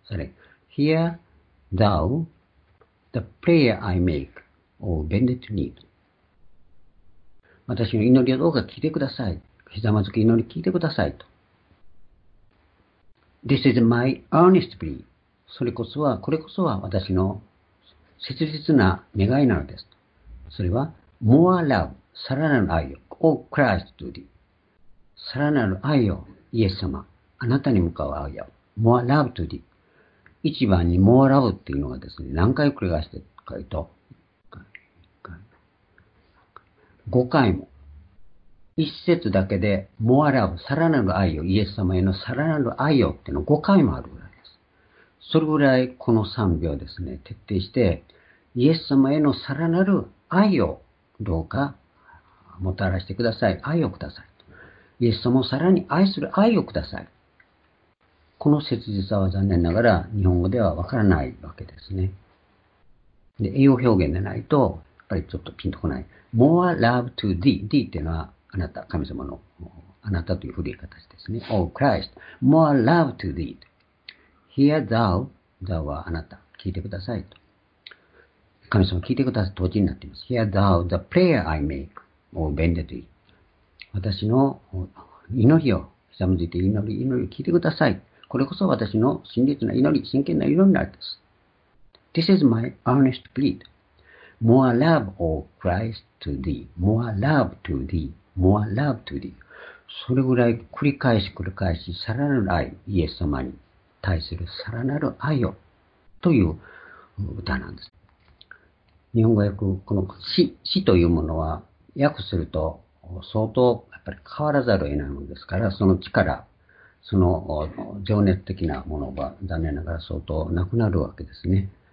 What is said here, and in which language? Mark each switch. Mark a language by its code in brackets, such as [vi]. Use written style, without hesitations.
[ja] それ [en] Hear thou the prayer I make, O bended knee、 [ja] 私の祈りをどうか聞いてください。ひざまずき祈り聞いてくださいと。 [en] This is my earnest plea. [ja] それこそは、これこそは私の切実な願いなのです。それは、 [en] more love, [ja] さらなる愛を、 [en] oh Christ to thee. [ja] さらなる愛を、イエス様、あなたに向かう愛を、 [en] more love to thee. [ja] 一番に more love っていうのがですね、何回繰り返してかいと、5回も。一節だけで、more love, さらなる愛を、イエス様へのさらなる愛をっていうのが5回もあるぐらいです。それぐらいこの賛美をですね、徹底して、イエス様へのさらなる愛をどうかもたらしてください。愛をください。イエス様をさらに愛する愛をください。この切実さは残念ながら日本語ではわからないわけですね。で、英語表現でないと、やっぱりちょっとピンとこない。 [en] more love to thee, [ja] thee っていうのは、あなた、神様のあなたという古い形ですね。 [en] Oh Christ, more love to thee. Hear thou, [ja] thou はあなた、聞いてくださいと。神様、聞いてくださいと、同時になっています。 [en] Hear thou, the prayer I make, O bended thee. [ja] 私の祈りを、ひざむずいて祈り、祈りを聞いてください。これこそ私の真実な祈り、真剣な祈りなんです。 [en] This is my earnest plea. More love, O Christ, to thee. More love to thee. More love to thee. [ja] それぐらい繰り返し繰り返し、さらなる愛、イエス様に対するさらなる愛を、という歌なんです。日本語訳、この詩というものは、訳すると相当やっぱり変わらざるを得ないものですから、その力、その情熱的なものが残念ながら相当なくなるわけですね。